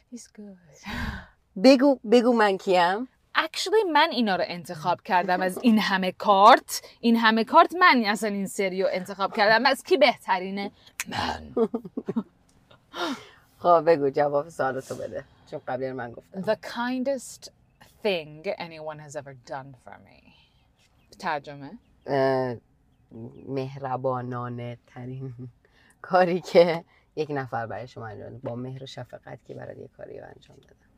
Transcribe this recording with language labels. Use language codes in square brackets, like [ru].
[en] It's good. [fa] بگو من کیم؟ Actually من اینا رو انتخاب کردم از این همه کارت، این همه کارت من اصلا این سریو انتخاب کردم. از کی بهترینه؟ من. خب بگو جواب سوالتو بده، چون قبلی من گفتم. [en] The kindest thing anyone has ever done for me. [fa] ترجمه؟ مهربانانه ترین کاری که یک نفر برای شما انجام داده، با مهر و شفقت که برای یک کاری رو انجام داده.